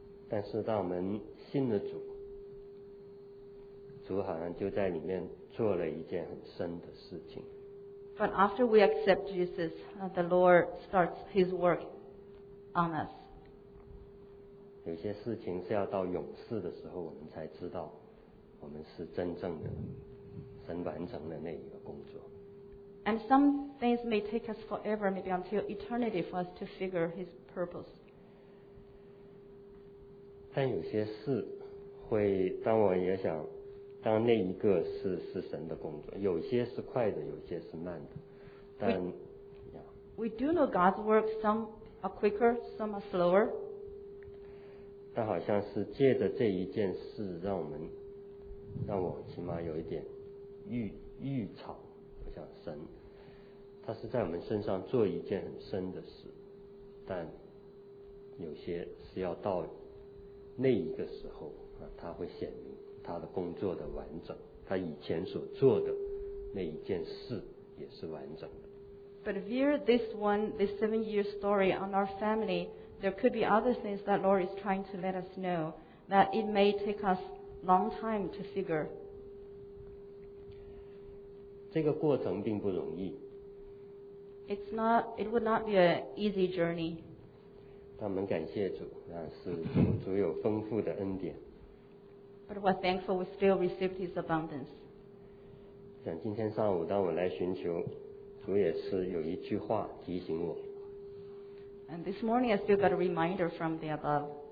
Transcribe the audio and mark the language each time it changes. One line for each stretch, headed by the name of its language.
Chinese: 但是当我们信了主，主好像就在里面做了一件很深的事情。
English: But after we accept Jesus, the Lord starts his work on us.
Chinese: 有些事情是要到勇士的时候我们才知道我们是真正的神完成的那一个工作。
English: And some things may take us forever, maybe until eternity for us to figure his purpose.
Chinese: 但有些事会当我也想当那一个是神的工作，有些是快的，有些是慢的。但
English: We do know God's work, some are quicker, some are slower.
Chinese: 但好像是借着这一件事让我起码有一点预兆，我想神他是在我们身上做一件很深的事，但有些是要到那一个时候他会显明他的工作的完整，他以前所做的那一件事也是完整的。
English: But via this 7 year story on our familyThere could be other things that Lord is trying to let us know that it may take us long time to figure.
Chinese: 这个过程并不容易。
English: It would not be an easy journey.
Chinese: 但我们感谢主，是主有丰富的恩典。
English: But we're thankful we still received his abundance.
Chinese: 想今天上午当我来寻求，主也是有一句话提醒我。
English: And this morning I still got a reminder from the above.